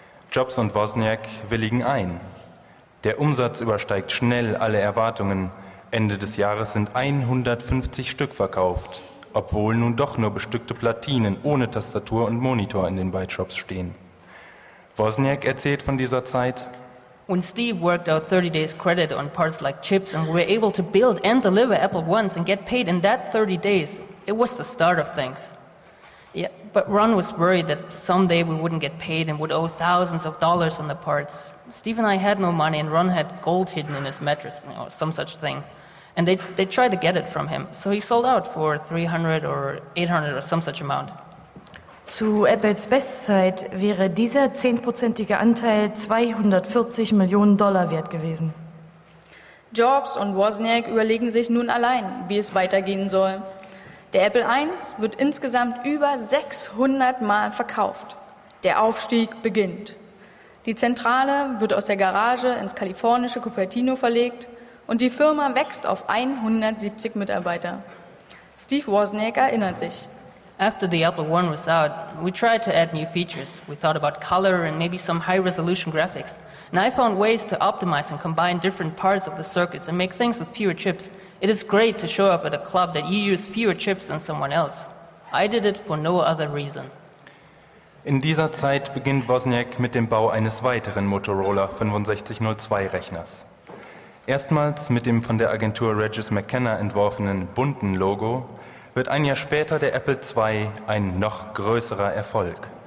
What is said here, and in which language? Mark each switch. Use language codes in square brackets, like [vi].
[de] Jobs und Wozniak willigen ein. Der Umsatz übersteigt schnell alle Erwartungen. Ende des Jahres sind 150 Stück verkauft, obwohl nun doch nur bestückte Platinen ohne Tastatur und Monitor in den Byte-Shops stehen. Wozniak erzählt von dieser Zeit. [en] When Steve worked out 30 days credit on parts like chips and we were able to build and deliver Apple Ones and get paid in that 30 days, it was the start of things. Yeah, but Ron was worried that someday we wouldn't get paid and would owe thousands of dollars on the parts. Steve and I had no money and Ron had gold hidden in his mattress, you know, some such thing. And they tried to get it from him, so he sold out for 300 or 800 or some such amount. [de] Zu Apples Bestzeit wäre dieser 10%ige Anteil 240 Millionen Dollar wert gewesen. Jobs und Wozniak überlegen sich nun allein, wie es weitergehen soll. Der Apple I wird insgesamt über 600 Mal verkauft. Der Aufstieg beginnt. Die Zentrale wird aus der Garage ins kalifornische Cupertino verlegt und die Firma wächst auf 170 Mitarbeiter. Steve Wozniak erinnert sich. [en] After the Apple One was out, we tried to add new features. We thought about color and maybe some high-resolution graphics. And I found ways to optimize and combine different parts of the circuits and make things with fewer chips. It is great to show off at a club that you use fewer chips than someone else. I did it for no other reason. [de] In dieser Zeit beginnt Wozniak mit dem Bau eines weiteren Motorola 6502-Rechners. Erstmals mit dem von der Agentur Regis McKenna entworfenen bunten Logo wird ein Jahr später der Apple II ein noch größerer Erfolg.